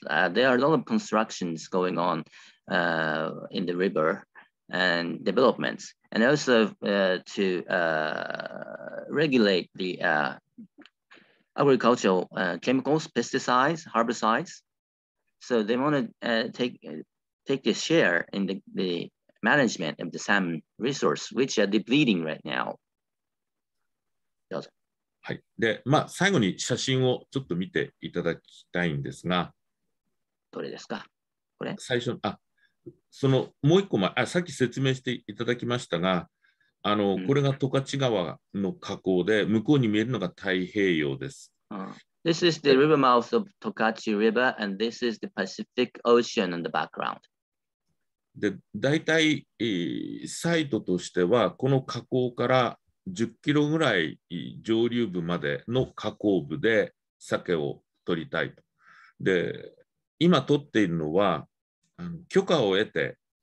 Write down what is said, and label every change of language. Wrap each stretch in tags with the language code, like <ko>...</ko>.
<en>There are a lot of constructions going on in the river and developments, and also to regulate the agricultural chemicals, pesticides, herbicides. So they want to take a share in the management of the salmon resource, which are depleting right now.</en> <ja>はい、で、まあ、最後に写真をちょっと見ていただきたいんですが、どれですか、これ最初、そのもう一個前、さっき説明していただきましたが、これが十勝川の河口で、向こうに見えるのが太平洋です。</ja> <en>This is the river mouth of Tokachi River, and this is the Pacific Ocean in the background.</en> <ja>で、大体、サイトとしては、この河口から、10キロぐらい上流部までの河口部で鮭を取りたいと。で、今取っているのは許可を得て</ja>